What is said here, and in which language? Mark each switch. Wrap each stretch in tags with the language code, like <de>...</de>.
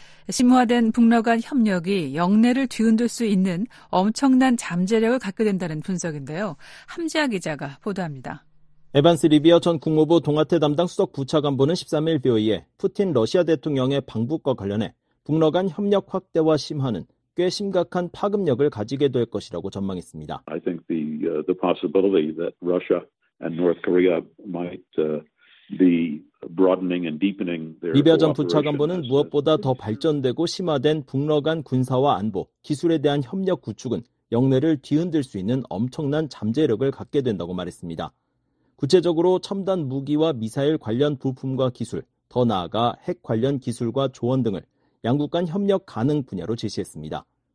<ko>심화된 북러 간 협력이 영내를 뒤흔들 수 있는 엄청난 잠재력을 갖게 된다는 분석인데요. 함지아 기자가 보도합니다. 에반스 리비어 전 국무부 동아태 담당 수석부차관보는 13일 BOA에 푸틴 러시아 대통령의 방북과 관련해 북러 간 협력 확대와 심화는 꽤 심각한 파급력을 가지게 될 것이라고 전망했습니다.</ko> <en>I think the possibility that Russia and North Korea might be broadening and deepening their</en> <ko>리비아 전 부차관보는 무엇보다 더 발전되고 심화된 북러 간 군사와 안보, 기술에 대한 협력 구축은 영내를 뒤흔들 수 있는 엄청난 잠재력을 갖게 된다고 말했습니다. 구체적으로 첨단 무기와 미사일 관련 부품과 기술, 더 나아가 핵 관련 기술과 조언 등을 양국 간 협력 가능 분야로 제시했습니다.</ko>